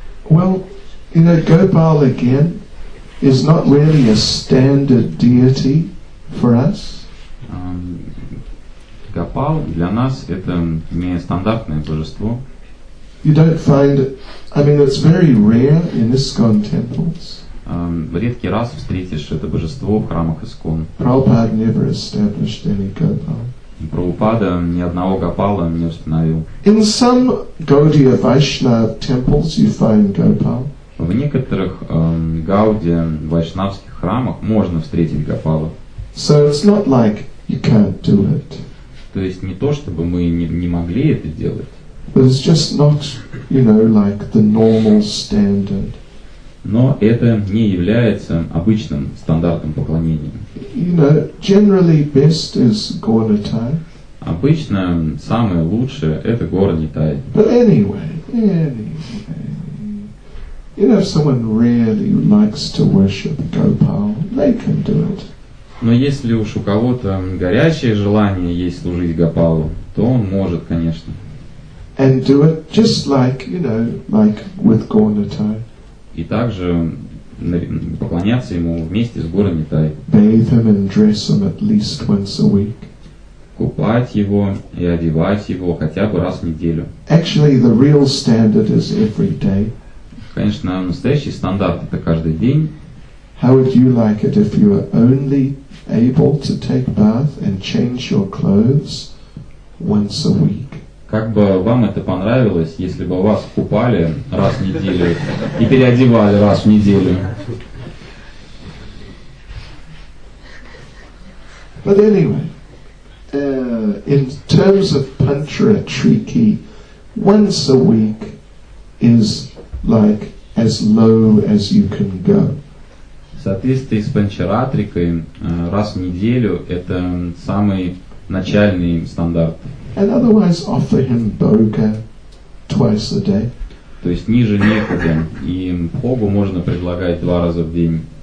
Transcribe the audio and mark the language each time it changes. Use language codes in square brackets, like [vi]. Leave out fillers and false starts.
[en] Well, you know, Gopal again is not really a standard deity for us. [ru] Гопал для нас это не стандартное божество. [en] You don't find it, I mean, it's very rare in ISKCON temples. [ru] Редкий раз встретишь это божество в храмах ИСКОН. [en] Prabhupada never established any Gopal. [ru] Прабхупада ни одного Гопала не установил. [en] In some Gaudiya Vaishnava temples you find Gopal. [ru] В некоторых Гаудия Вайшнавских храмах можно встретить Гопала. [en] So it's not like you can't do it. [ru] То есть не то, чтобы мы не могли это делать. [en] But it's just not, you know, like the normal standard. [ru] Но это не является обычным стандартом поклонения. [en] You know, generally best is Gaudiya. [ru] Обычно самое лучшее это Gaudiya. [en] But anyway, you know, if someone really likes to worship Gopal, they can do it. [ru] Но если уж у кого-то горячее желание есть служить Гопалу, то он может, конечно. [en] And do it just like, you know, like with Gaudiya. [ru] И также поклоняться ему вместе с Гора Нитай. [en] Bathe him and dress him at least once a week. [ru] Купать его и одевать его хотя бы раз в неделю. [en] Actually, the real standard is every day. [ru] Конечно, настоящий стандарт это каждый день. [en] How would you like it if you were only able to take bath and change your clothes once a week? [ru] Как бы вам это понравилось, если бы вас купали раз в неделю и переодевали раз в неделю? [en] But anyway, in terms of Pantra Triki, once a week is like as low as you can go. [ru] В соответствии с Панчаратрикой, раз в неделю – это самый начальный стандарт. [en] And otherwise offer him bhoga twice a day. [ru] То есть ниже некуда, и бхогу можно предлагать два раза в день.